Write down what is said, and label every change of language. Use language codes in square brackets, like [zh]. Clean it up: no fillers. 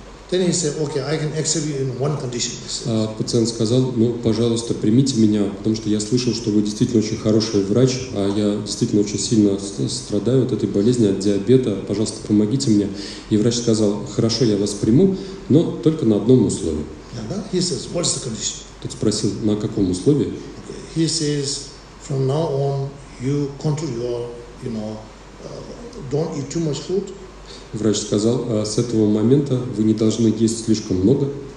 [en] Then he said, "Okay, I can accept you in one condition." [ru] Пациент сказал: "Ну, пожалуйста, примите меня, потому что я слышал, что вы действительно очень хороший врач, а я действительно очень сильно страдаю от этой болезни, от диабета. Пожалуйста, помогите мне." И врач сказал: "Хорошо, я вас приму, но только на одном условии." [en] Yeah, he says, "What's the condition?" [ru] Тот спросил: "На каком условии?" [en] Okay. He says, "From now on, you control your, don't eat too much food." [ru] Врач сказал, с этого момента вы не должны есть слишком много.